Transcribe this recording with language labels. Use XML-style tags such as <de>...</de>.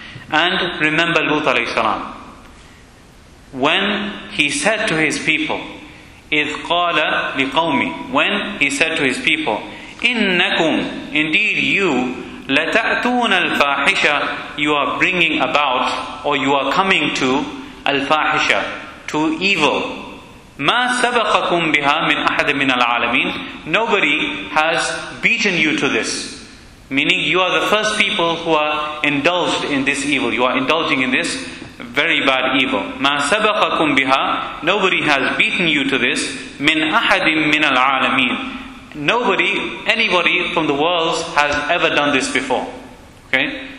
<en>And remember Lut alayhi salam, when he said to his people, إِذْ قَالَ لِقَوْمِهِ, when he said to his people, إِنَّكُمْ, indeed you, لَتَأْتُونَ الْفَاحِشَةَ, you are bringing about, or you are coming to, Al-Fahisha, to evil.</en> <ar>مَا سَبَقَكُمْ بِهَا مِنْ أَحَدٍ مِنَ الْعَالَمِينَ, nobody has beaten you to this.</ar> <en>Meaning you are the first people who are indulged in this evil. You are indulging in this very bad evil. مَا سَبَقَكُمْ بِهَا, nobody has beaten you to this. مِنْ أَحَدٍ مِنَ الْعَالَمِينَ, nobody, anybody from the worlds has ever done this before. Okay?</en>